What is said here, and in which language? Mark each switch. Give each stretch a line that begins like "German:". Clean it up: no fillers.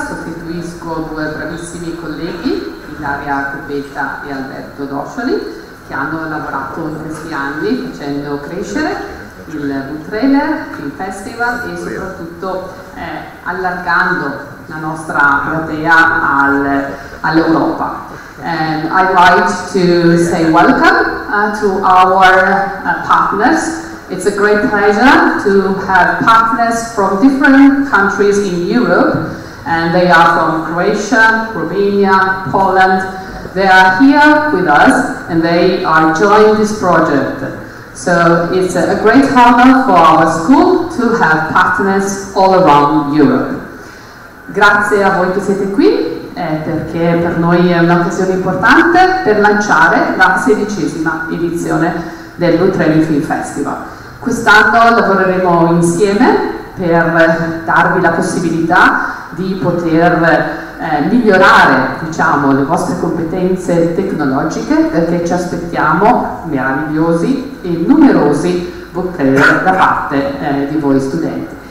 Italian: Sostituisco due bravissimi colleghi, Ilaria Cubetta e Alberto Doscioli, che hanno lavorato in questi anni facendo crescere il Thriller Film Festival e soprattutto allargando la nostra platea all'Europa.
English: And I'd like to say welcome to our partners. It's a great pleasure to have partners from different countries in Europe, and they are from Croatia, Romania, Poland. They are here with us and they are joining this project. So it's a great honor for our school to have partners all around Europe.
Italian: Grazie a voi che siete qui, perché per noi è un'occasione importante per lanciare la sedicesima edizione del Thriller Film Festival. Quest'anno lavoreremo insieme per darvi la possibilità di poter migliorare, diciamo, le vostre competenze tecnologiche, perché ci aspettiamo meravigliosi e numerosi booktrailer da parte di voi studenti.